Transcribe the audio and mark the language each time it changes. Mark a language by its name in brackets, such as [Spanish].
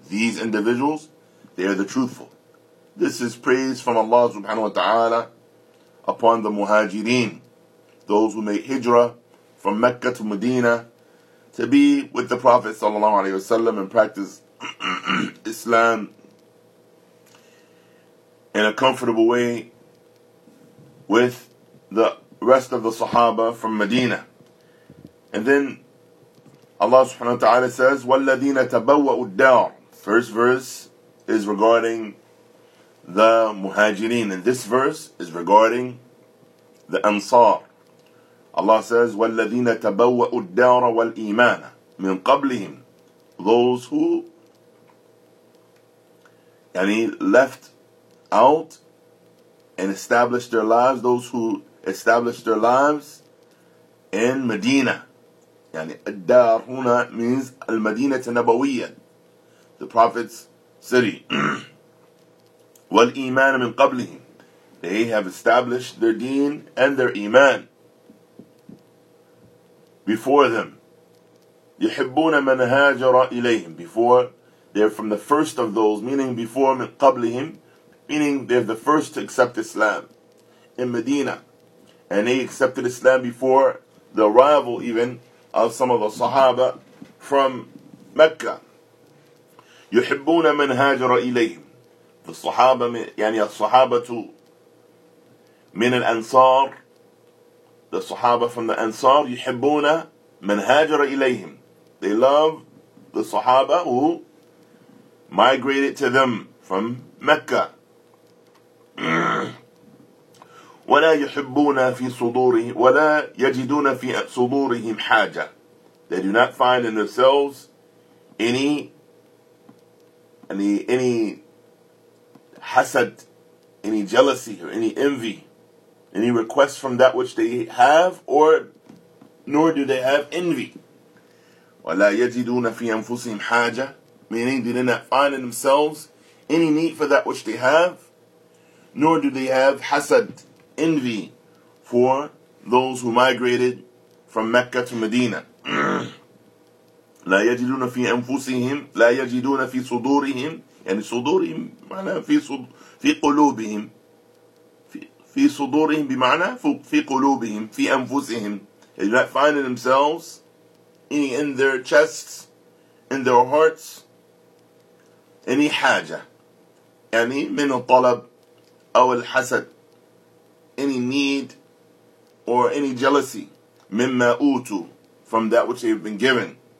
[English] These individuals, they are the truthful. This is praise from Allah subhanahu wa ta'ala upon the muhajireen, those who made hijrah from Mecca to Medina to be with the Prophet sallallahu alayhi wa sallam and practice Islam in a comfortable way with the rest of the Sahaba from Medina. And then Allah subhanahu wa ta'ala says, [Arabic] وَالَّذِينَ تَبَوَّأُ الدَّارِ. [English] First verse is regarding the muhajirin, and this verse is regarding the Ansar. Allah says, [Arabic] وَالَّذِينَ تَبَوَّأُ الدَّارَ وَالْإِيمَانَ مِنْ قَبْلِهِمْ. [English] Those who left out and established their lives, those who established their lives in Medina. [Arabic] الدار هنا [English] means [Arabic] المدينة النبوية, [English] the Prophet's city. [Arabic] وَالْإِيمَانَ مِنْ قَبْلِهِمْ. [English] They have established their deen and their iman before them. [Arabic] يُحِبُّونَ مَنْ هَاجَرَ إِلَيْهِمْ. [English] Before, they're from the first of those, meaning before [Arabic] مِنْ قَبْلِهِمْ, [English] meaning they're the first to accept Islam in Medina. And they accepted Islam before the arrival even of some of the Sahaba from Mecca. [Arabic] يُحِبُّونَ مَنْ هَاجَرَ إِلَيْهِمْ. [English] The Sahaba, [Arabic] الصحابة من الأنصار, [English] the Sahaba from the Ansar, [Arabic] يحبون من هاجر إليهم. [English] They love the Sahaba who migrated to them from Mecca. [Arabic] ولا يحبون في صدورهم ولا يجدون في صدورهم حاجة. [English] They do not find in themselves any hasad, any jealousy or any envy, any request from that which they have, nor do they have envy. [Arabic] وَلَا يَجِدُونَ فِي أَنفُسِهِمْ حَاجَةً, [English] meaning they did not find in themselves any need for that which they have, nor do they have hasad, envy, for those who migrated from Mecca to Medina. [Arabic] لَا يَجِدُونَ فِي أَنفُسِهِمْ, لَا يَجِدُونَ فِي صُدُورِهِمْ, يعني صدورهم معنى في قلوبهم, في صدورهم بمعنى في قلوبهم, في أنفسهم. [English] They do not find in themselves, in their chests, in their hearts, any حاجة, [Arabic] يعني من الطلب أو الحسد, [English] any need or any jealousy, [Arabic] مما أوتوا, [English] from that which they have been given.